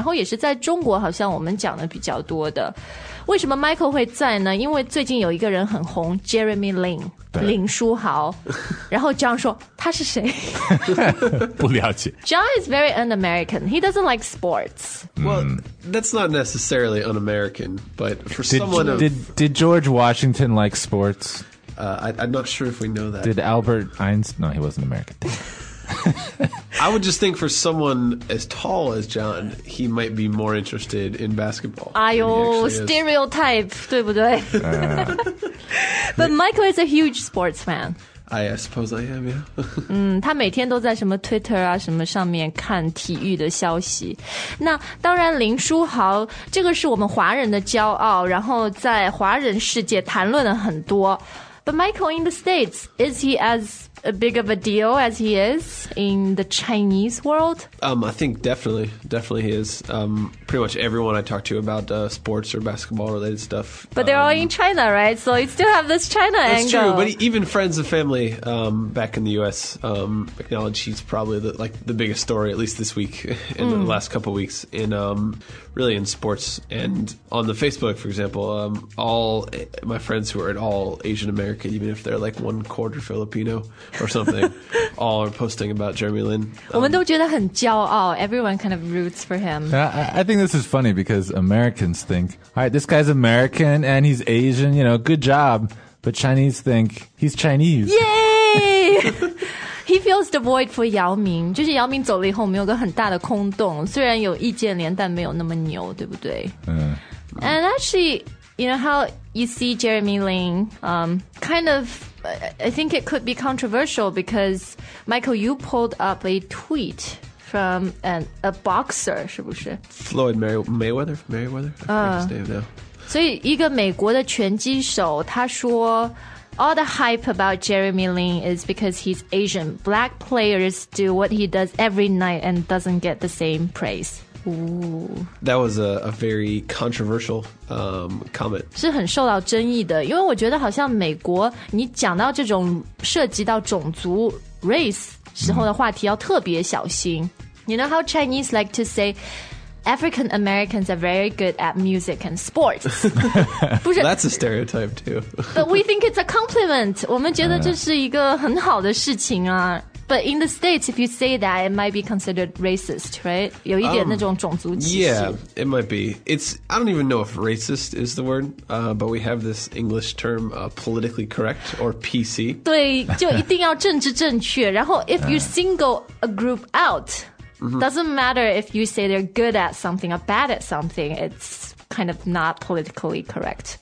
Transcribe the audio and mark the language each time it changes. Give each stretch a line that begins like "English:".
Chinese: 你很假。我觉得我们这个节目其实就今天我们会带给大家一些最近在美国被谈论的比较多的事情，然后也是在中国好像我们讲的比较多的。为什么Michael会在呢？因为最近有一个人很红， Jeremy Lin， 林书豪。然后John说，他是谁？不了解。
English: John is very un-American. He doesn't like sports. Well, that's not necessarily un-American, but for someone of... Did George Washington like sports? I'm not sure if we know that. Did Albert Einstein... No, he wasn't American. I would just think for someone as tall as John, he might be more interested in basketball.
Chinese: 哎呦, stereotype, 对不对?
English: But Michael is a huge sports fan. I suppose I am, yeah.
Chinese: 他每天都在什么Twitter啊, 什么上面看体育的消息。那当然林书豪, 这个是我们华人的骄傲, 然后在华人世界谈论了很多。
English: But Michael, in the States, is he as big of a deal as he is in the Chinese world? I think definitely he is. Pretty much everyone I talk to about sports or basketball related stuff. But they're all in China, right? So you still have this China that's angle. That's true, but even friends and family back in the U.S. Acknowledge he's probably the biggest story, at least this week, in the last couple of weeks, in sports. And on the Facebook, for example, all my friends who are at all Asian American, even if they're like one quarter Filipino or something, all are posting about Jeremy Lin.
Chinese: 我们都觉得很骄傲,
English: everyone kind of roots for him. I think this is funny because Americans think, all right, this guy's American and he's Asian, you know, good job. But Chinese think he's Chinese. Yay! He fills the void for Yao Ming.
Chinese: 就是姚明走了以后没有个很大的空洞，虽然有意见连，但没有那么牛，对不对?
English: And actually, you know how you see Jeremy Lin, kind of, I think it could be controversial because, Michael, you pulled up a tweet from a boxer,
Chinese: 是不是?
English: Floyd Mayweather? Mayweather? I forget his name now.
Chinese: 所以一个美国的拳击手他说,
English: all the hype about Jeremy Lin is because he's Asian. Black players do what he does every night and doesn't get the same praise. Ooh. That was a very controversial comment.
Chinese: 是很受到争议的，因为我觉得好像美国，你讲到这种涉及到种族 race 时候的话题要特别小心。
English: You know how Chinese like to say African Americans are very good at music and sports.
Chinese: 不是,
English: that's a stereotype too. But we think it's a compliment.
Chinese: 我们觉得这是一个很好的事情啊。
English: But in the States, if you say that, it might be considered racist, right?
Chinese: 有一点那种种族歧视。
English: Yeah, it might be. I don't even know if racist is the word, but we have this English term, politically correct, or PC.
Chinese: 对,就一定要政治正确。然后
English: if you single a group out, doesn't matter if you say they're good at something or bad at something, it's kind of not politically correct.